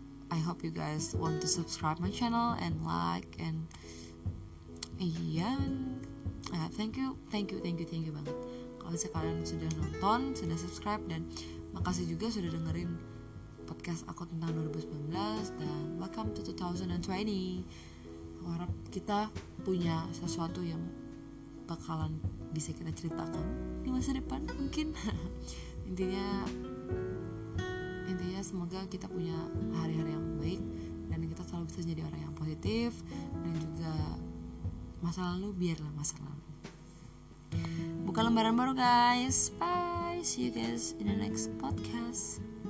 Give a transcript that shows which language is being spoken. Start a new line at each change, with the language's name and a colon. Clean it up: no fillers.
English: I hope you guys want to subscribe my channel and like. And yeah, thank you
Indonesian: banget kalau sekalian sudah nonton, sudah subscribe, dan makasih juga sudah dengerin podcast aku tentang 2019. Dan
English: welcome to 2020.
Indonesian: Aku harap kita punya sesuatu yang bakalan bisa kita ceritakan di masa depan mungkin. Intinya semoga kita punya hari-hari yang baik, dan kita selalu bisa jadi orang yang positif, dan juga masa lalu biarlah masa lalu. Buka lembaran baru guys.
English: Bye, see you guys in the next podcast.